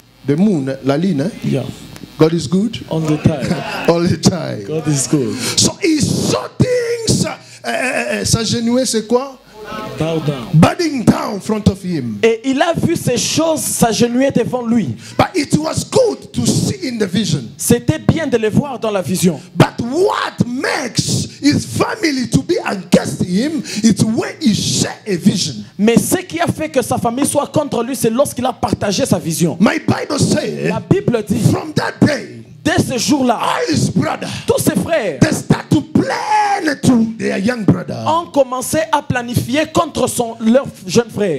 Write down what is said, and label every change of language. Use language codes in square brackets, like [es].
[en] The moon, [fr] la lune. [en] Yeah. God is good. All the time. All the time. God is good. So he saw things. [fr] S'agenouiller, c'est quoi? [en] Bow down. Bowing down front of him. [fr] Et il a vu ces choses s'agenouiller devant lui. [en] But it was good to see in the vision. [fr] C'était bien de les voir dans la vision. [en] But what makes his family to be against him is when he shared a vision. [fr] Mais ce qui a fait que sa famille soit contre lui, c'est lorsqu'il a partagé sa vision. [en] My Bible says. [fr] La Bible dit. [en] From that day. [fr] Dès ce jour-là. [en] All his brother. [fr] Tous ses frères. [en] They start to play. To their young brother. [fr] Ont commencé à planifier contre son leur jeune frère.